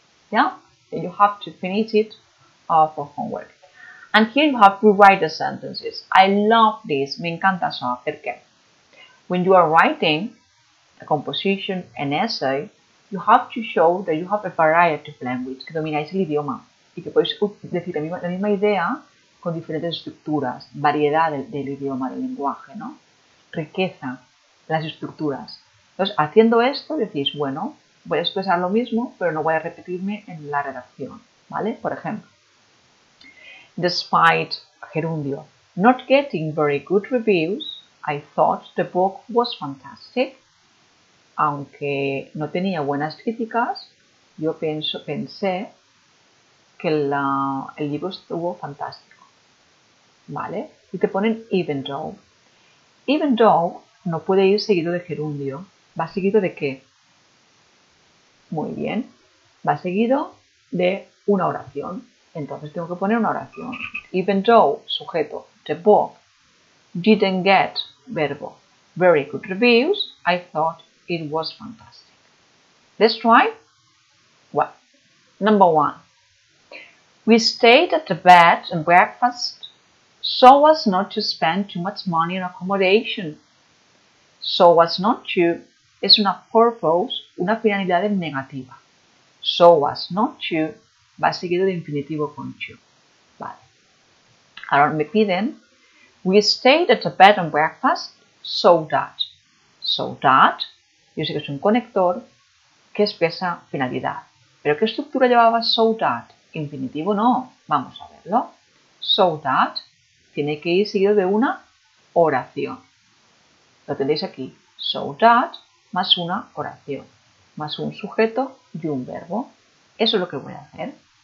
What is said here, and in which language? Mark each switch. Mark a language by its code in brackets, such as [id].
[en] Yeah? And you have to finish it for homework. And here you have to write the sentences. I love this. [es] Me encanta eso. ¿Por qué? [en] When you are writing a composition, an essay, you have to show that you have a variety of language. [es] Que domináis el idioma. Y que podéis decir la misma idea con diferentes estructuras, variedad del idioma, del lenguaje, ¿no? Riqueza, las estructuras. Entonces, haciendo esto, decís, bueno, voy a expresar lo mismo, pero no voy a repetirme en la redacción, ¿vale? Por ejemplo, [en] despite, gerundio, not getting very good reviews, I thought the book was fantastic. [es] Aunque no tenía buenas críticas, yo pensé que el libro estuvo fantástico. ¿Vale? Y te ponen even though. Even though no puede ir seguido de gerundio. ¿Va seguido de qué? Muy bien. Va seguido de una oración. Entonces tengo que poner una oración. [en] Even though, sujeto, the book didn't get, verbo, very good reviews, I thought it was fantastic. Let's try. Well, number one. We stayed at the bed and breakfast so as not to spend too much money on accommodation. [es] So as not to es una purpose, una finalidad en negativa. So as not to va seguido de infinitivo con to. Vale. Ahora me piden. [en] We stayed at a bed and breakfast so that. So that. [es] Yo sé que es un conector que expresa finalidad. Pero ¿qué estructura llevaba so that? Infinitivo no. Vamos a verlo. So that. Tiene que ir seguido de una oración. Lo tenéis aquí. So that más una oración. Más un sujeto y un verbo. Eso es lo que voy a hacer.